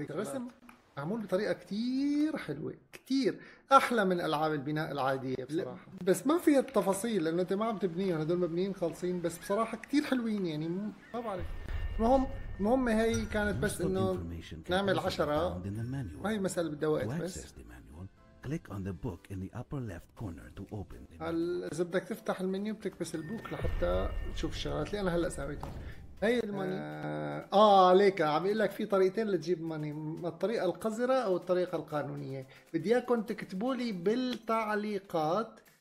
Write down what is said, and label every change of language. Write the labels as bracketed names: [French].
[Arabic] هيك الرسم معمول بطريقه كتير حلوه، كتير احلى من العاب البناء العاديه بصراحه، بس ما فيها التفاصيل لانه انت ما عم تبنيهم، هدول مبنيين خالصين، بس بصراحه كتير حلوين يعني. ما بعرف، المهم هي كانت بس انه نعمل 10. هاي مساله بدها وقت بس. [English] Click on the book in the upper left corner to open. [Arabic] اذا بدك تفتح المنيو بتكبس البوك لحتى تشوف الشغلات اللي انا هلا سويتها. هي الماني. ليك عم يقول لك في طريقتين لتجيب ماني، الطريقة القذرة او الطريقة القانونية. بدي اياكم تكتبوا لي بالتعليقات